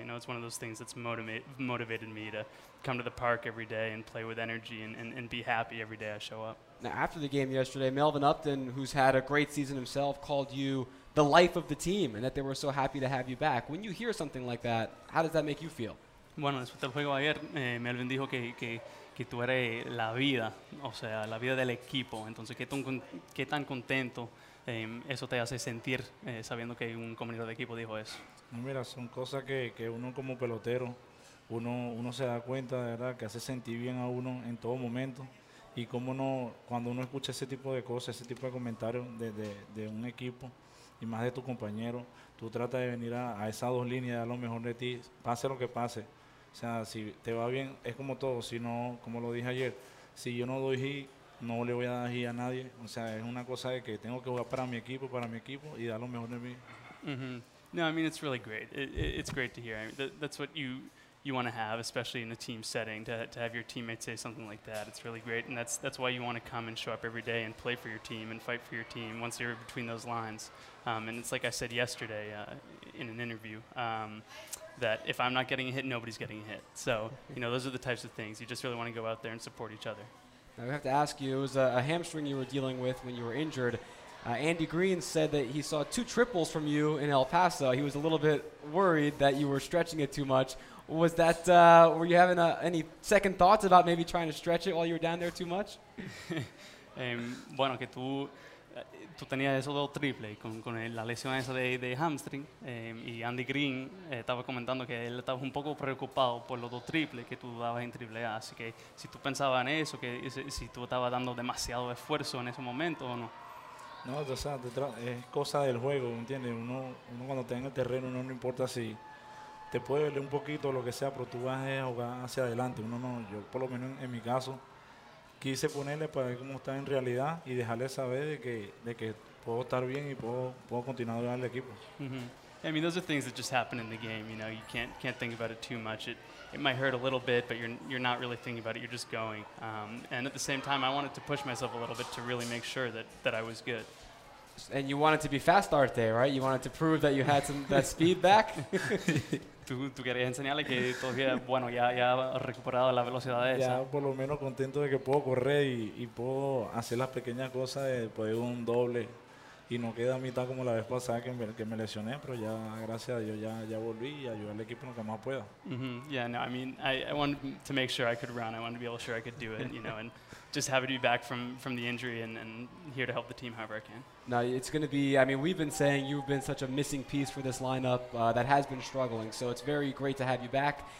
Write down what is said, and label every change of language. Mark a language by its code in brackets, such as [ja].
[en] You know, it's one of those things that's motivated me to come to the park every day and play with energy and be happy every day I show up. Now, after the game yesterday, Melvin Upton, who's had a great season himself, called you the life of the team, and that they were so happy to have you back. When you hear something like that, how does that make you feel? [es] Bueno, después del juego ayer, Melvin dijo que tú eres la vida, o sea, la vida del equipo. Entonces, qué tan contento eso te hace sentir, sabiendo que un compañero de equipo dijo eso. No, mira, son cosas que uno como pelotero, uno se da cuenta, de verdad, que hace sentir bien a uno en todo momento. Y cómo no, cuando uno escucha ese tipo de cosas, ese tipo de comentarios de un equipo, y más de tu compañero, tú tratas de venir a esas dos líneas, a lo mejor de ti, pase lo que pase. O sea, si te va bien, es como todo. Si no, como lo dije ayer, si yo no doy hit, no le voy a dar hit a nadie. O sea, es una cosa de que tengo que jugar para mi equipo, y dar lo mejor de mí. Mm-hmm. [en] No, I mean, it's really great. It's great to hear. I mean, that's what you want to have, especially in a team setting, to have your teammates say something like that. It's really great, and that's why you want to come and show up every day and play for your team and fight for your team once you're between those lines. And it's like I said yesterday in an interview, that if I'm not getting a hit, nobody's getting a hit. So, you know, those are the types of things. You just really want to go out there and support each other. Now, we have to ask you, it was a hamstring you were dealing with when you were injured. Andy Green said that he saw two triples from you in El Paso. He was a little bit worried that you were stretching it too much. Was that were you having any second thoughts about maybe trying to stretch it while you were down there too much? [es] Bueno, que tú tenías eso dos triples con la lesión esa de hamstring. Y Andy Green estaba comentando que él estaba un poco preocupado por los dos triples que tú dabas en triple A. Así que si tú pensabas en eso, que si tú estabas dando demasiado esfuerzo en ese momento o no. No, o sea, es cosa del juego, ¿entiendes? Uno cuando está en el terreno, uno no importa si te puede doler un poquito o lo que sea, pero tú vas a jugar hacia adelante. Uno no, yo por lo menos en mi caso, quise ponerle para ver cómo está en realidad y dejarle saber de que puedo estar bien y puedo continuar durante el equipo. Mm-hmm. [en] I mean, those are things that just happen in the game, you know, you can't think about it too much. It might hurt a little bit, but you're not really thinking about it, you're just going. And at the same time, I wanted to push myself a little bit to really make sure that I was good. And you wanted to be fast art day, right? You wanted to prove that you had some that speed back? [es] Tú querías enseñarle que todavía, bueno, ya ha recuperado la velocidad esa. Ya por lo menos contento de que puedo correr y puedo hacer las pequeñas cosas de poder un doble y no queda a mitad como la vez pasada que me lesioné, pero ya gracias a Dios ya volví y ayudé al equipo en lo que más pueda. Mm-hmm. [en] Yeah, no, I mean, I wanted to make sure I could run. I wanted to be able sure I could do it, you know, and just happy to be back from the injury and here to help the team however I can. No, it's going to be, I mean, we've been saying you've been such a missing piece for this lineup that has been struggling, so it's very great to have you back.